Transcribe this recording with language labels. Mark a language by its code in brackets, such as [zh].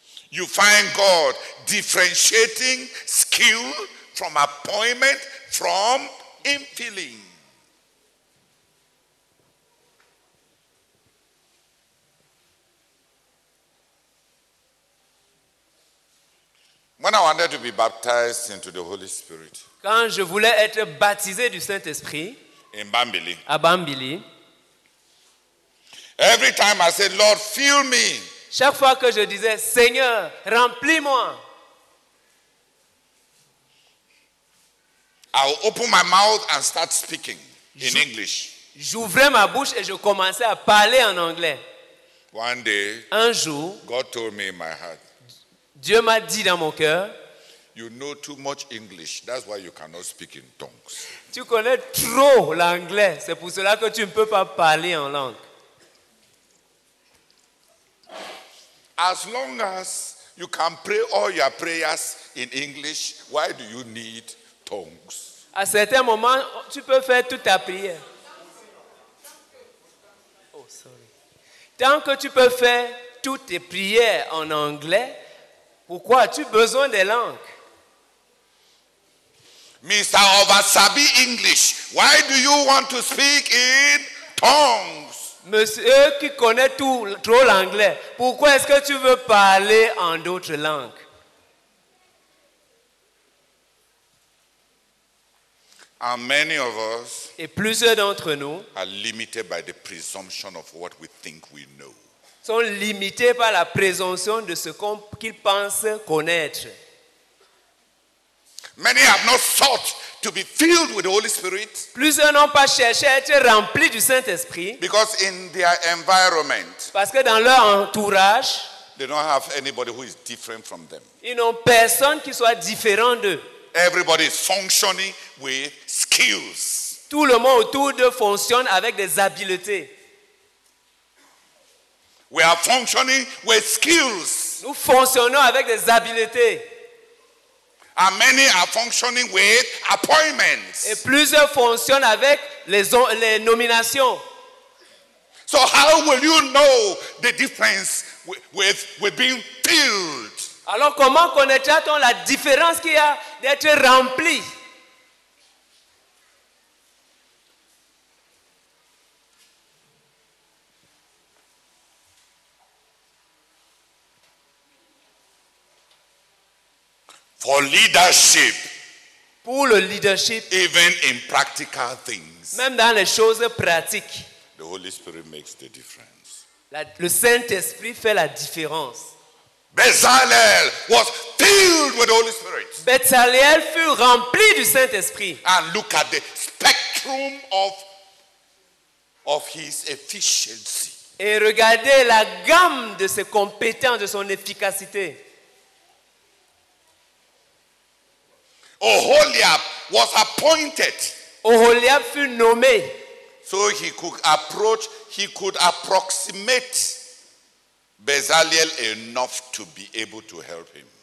[en] You find God differentiating skill from appointment, from infilling. When I wanted to be baptized into the Holy Spirit, [fr] quand je voulais être baptisé du Saint-Esprit, [en] in Bambili, [fr] à Bambili, [en] every time I said, Lord, fill me, [fr] Chaque fois que je disais, Seigneur, remplis-moi. [en] I'll open my mouth and start speaking in English. [fr] J'ouvrais ma bouche et je commençais à parler en anglais. [en] One day, [fr] un jour, [en] God told me in my heart, [fr] Dieu m'a dit dans mon cœur, [en] you know too much English, that's why you cannot speak in tongues. [fr] Tu connais trop l'anglais, c'est pour cela que tu ne peux pas parler en langue. [en] As long as you can pray all your prayers in English, why do you need tongues? [fr] À certains moments, tu peux faire toute ta prière. [en] Oh, sorry. [fr] Tant que tu peux faire toutes tes prières en anglais, pourquoi as-tu besoin des langues? [en] Mr. Ovasabi English, why do you want to speak in tongues? [fr] Monsieur qui connaît tout, trop l'anglais, pourquoi est-ce que tu veux parler en d'autres langues? [en] And many of us, [fr] et plusieurs d'entre nous, [en] are limited by the presumption of what we think we know. [fr] Sont limités par la présomption de ce qu'ils pensent connaître. [en] Many have not sought to be filled with the Holy Spirit. [fr] Plusieurs n'ont pas cherché à être remplis du Saint-Esprit. [en] Because in their environment, [fr] parce que dans leur entourage, [en] they don't have anybody who is different from them. [fr] Ils n'ont personne qui soit différent d'eux. [en] Everybody is functioning with skills. [fr] Tout le monde autour d'eux fonctionne avec des habiletés. [en] We are functioning with skills. [fr] Nous fonctionnons avec des habiletés. [en] And many are functioning with appointments. [fr] Et plusieurs fonctionnent avec les nominations. [en] So how will you know the difference with being filled? [fr] Alors comment connaîtra-t-on la différence qu'il y a d'être rempli? [en] For leadership, [fr] pour le leadership, [en] even in practical things, [fr] même dans les choses pratiques, [en] the Holy Spirit makes the difference. [fr] Le Saint-Esprit fait la différence. [en] Bezalel was filled with the Holy Spirit. [fr] Bezalel fut rempli du Saint-Esprit. [en] And look at the spectrum of his efficiency. [fr] Et regardez la gamme de ses compétences, de son efficacité. [en] Oholiab was appointed. [fr] Oholiab fut nommé. [en] So he could approximate Bezalel enough to be able to help him.